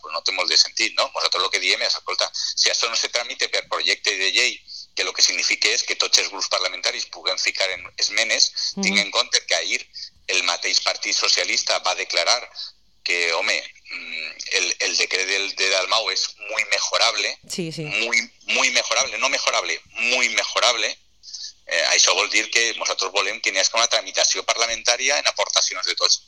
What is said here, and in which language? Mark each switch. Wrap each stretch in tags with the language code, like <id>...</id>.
<ca>Pues no té molt de sentit, no? Nosaltres el que diem és, escolta, si això no se tramite per projecte de llei, que el que significa és que tots els grups parlamentaris puguen ficar en esmenes, tinc en compte que ahir el mateix Partit Socialista va declarar que, home, el decret de Dalmau és molt mejorable, sí, sí.</ca> <es>Muy mejorable, no mejorable, muy mejorable.</es> <ca>Això vol dir que nosaltres volem que n'hi hagi una tramitació parlamentària en aportacions de tots.</ca>